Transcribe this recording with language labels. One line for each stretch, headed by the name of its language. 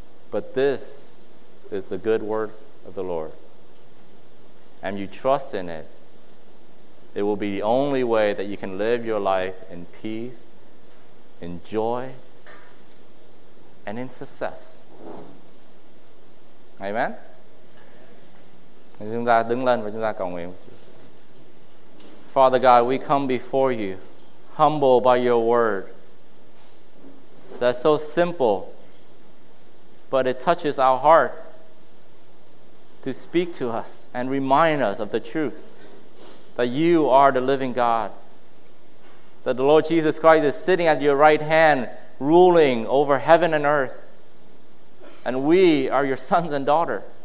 English: But this is the good word of the Lord, and you trust in it, it will be the only way that you can live your life in peace, in joy, and in success. Amen?
Vietnamese: Chúng ta đứng lên và chúng ta cầu nguyện.
English: Father God, we come before you, humbled by your word. That's so simple, but it touches our heart to speak to us and remind us of the truth that you are the living God, that the Lord Jesus Christ is sitting at your right hand, ruling over heaven and earth, and we are your sons and daughter.